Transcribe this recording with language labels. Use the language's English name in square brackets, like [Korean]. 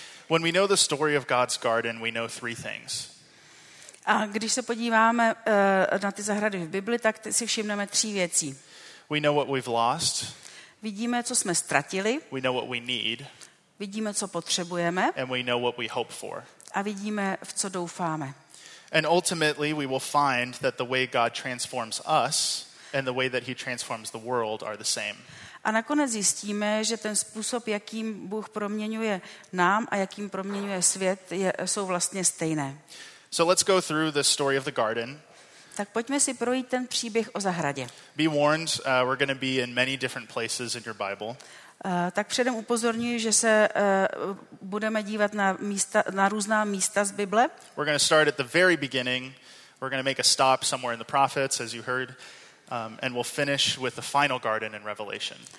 [English] When we know the story of God's garden, we know three things. [Czech] A když se podíváme na ty zahrady v Bibli, tak si všimneme tří věcí. [English] We know what we've lost. [Czech] Vidíme, co jsme ztratili. [English] We know what we need. [Czech] Vidíme, co potřebujeme. [English] And we know what we hope for. [Czech] A vidíme, v co doufáme. [English] And ultimately, we will find that the way God transforms us and the way that he transforms the world are the same. [Czech] A nakonec zjistíme, že ten způsob, jakým Bůh proměňuje nám a jakým proměňuje svět, jsou vlastně stejné. [English] So let's go through the story of the garden. [Czech] Tak pojďme si projít ten příběh o zahradě. [English] Be warned, we're going to be in many different places in your Bible. [Czech] Tak předem upozorňuji, že se budeme dívat na místa, na různá místa z Bible. [English] We're going to start at the very beginning. We're going to make a stop somewhere in the prophets, as you heard. And we'll finish with the final garden in Revelation.